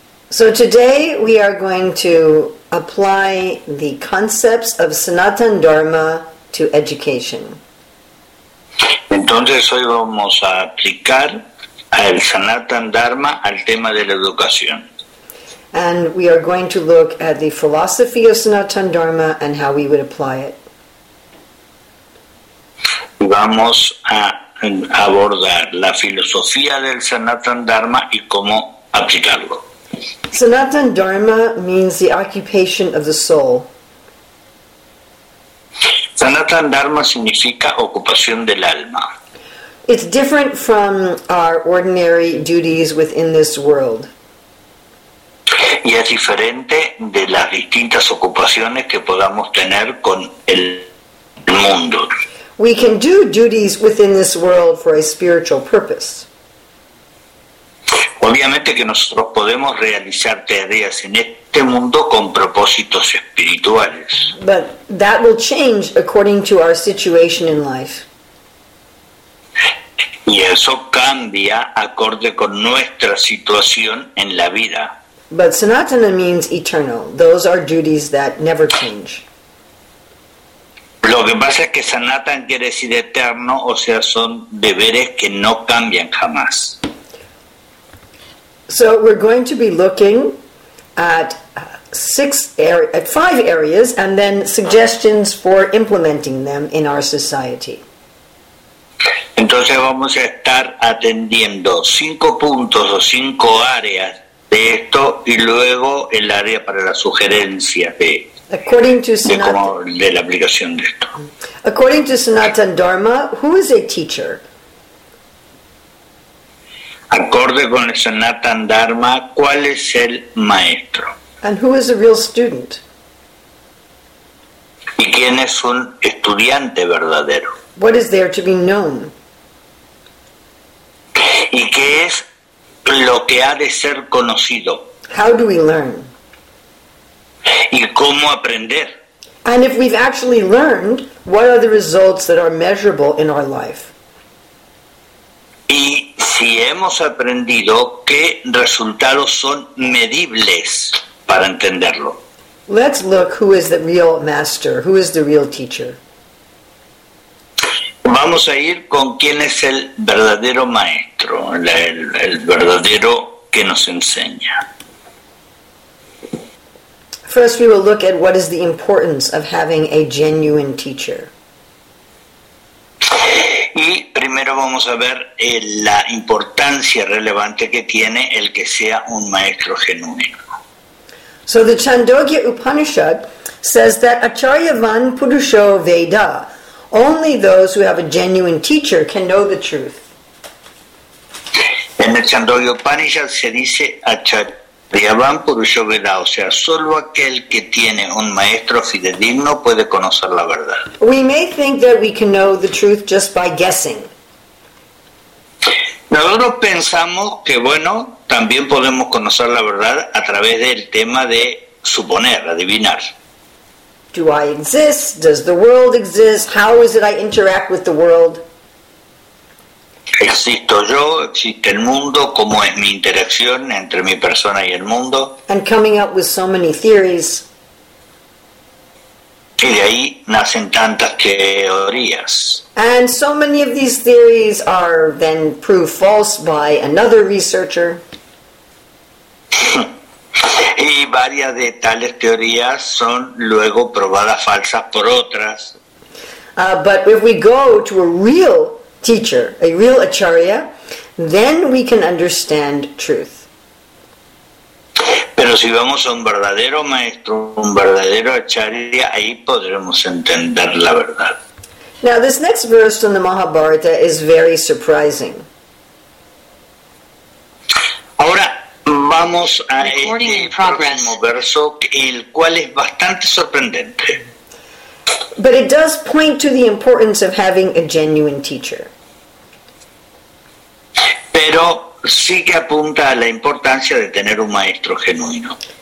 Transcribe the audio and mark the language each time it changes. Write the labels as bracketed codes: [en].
[en] So today we are going to apply the concepts of Sanatan Dharma to education. [es] Entonces hoy vamos a aplicar al Sanatan Dharma, al tema de la educación. [en] And we are going to look at the philosophy of Sanatan Dharma and how we would apply it. [es] Vamos a abordar la filosofía del Sanatan Dharma y cómo aplicarlo. [en] Sanatan Dharma means the occupation of the soul. [es] Sanatan Dharma significa ocupación del alma. [en] It's different from our ordinary duties within this world. [es] Y es diferente de las distintas ocupaciones que podamos tener con el mundo. [en] We can do duties within this world for a spiritual purpose. [es] Obviamente que nosotros podemos realizar tareas en este mundo con propósitos espirituales. [en] But that will change according to our situation in life. [es] Y eso cambia acorde con nuestra situación en la vida. [en] But Sanatana means eternal. Those are duties that never change. [es] Lo que pasa es que Sanatana quiere decir eterno, o sea, son deberes que no cambian jamás. [en] So we're going to be looking at five areas and then suggestions for implementing them in our society. [es] Entonces vamos a estar atendiendo 5 puntos o 5 áreas de esto y luego el área para la sugerencia de la aplicación de esto. [en] According to Sanatan Dharma, who is a teacher? [es] Acorde con el Sanatan Dharma, ¿cuál es el maestro? [en] And who is a real student? [es] ¿Y quién es un estudiante verdadero? [en] What is there to be known? [es] ¿Y qué es lo que ha de ser conocido? [en] How do we learn? [es] ¿Y cómo aprender? [en] And if we've actually learned, what are the results that are measurable in our life? [es] ¿Y si hemos aprendido, qué resultados son medibles para entenderlo? [en] Let's look who is the real master, who is the real teacher. [es] Vamos a ir con quién es el verdadero maestro, el verdadero que nos enseña. [en] First we will look at what is the importance of having a genuine teacher. [es] Y primero vamos a ver la importancia relevante que tiene el que sea un maestro genuino. [en] So the Chandogya Upanishad says that Acharya Van Purusho Veda, only those who have a genuine teacher can know the truth. [es] En el Chandogya Upanishad se dice Acharya Van Purusho Veda, o sea, solo aquel que tiene un maestro fidedigno puede conocer la verdad. [en] We may think that we can know the truth just by guessing. [es] Nosotros pensamos que, bueno, también podemos conocer la verdad a través del tema de suponer, adivinar. [en] Do I exist? Does the world exist? How is it I interact with the world? [es] ¿Existo yo? ¿Existe el mundo? ¿Cómo es mi interacción entre mi persona y el mundo? [en] And coming up with so many theories. [es] Y de ahí nacen tantas teorías. [en] And so many of these theories are then proved false by another researcher. [es] Y varias de tales teorías son luego probadas falsas por otras. [en] But if we go to a real teacher, a real acharya, then we can understand truth. [es] Pero si vamos a un verdadero maestro, un verdadero acharya, ahí podremos entender la verdad. [en] Now this next verse from the Mahabharata is very surprising. [es] Ahora vamos a este próximo verso, el cual es bastante sorprendente. [en] But it does point to the importance of having a genuine teacher. [es] Pero sí que apunta a la importancia de tener un maestro genuino.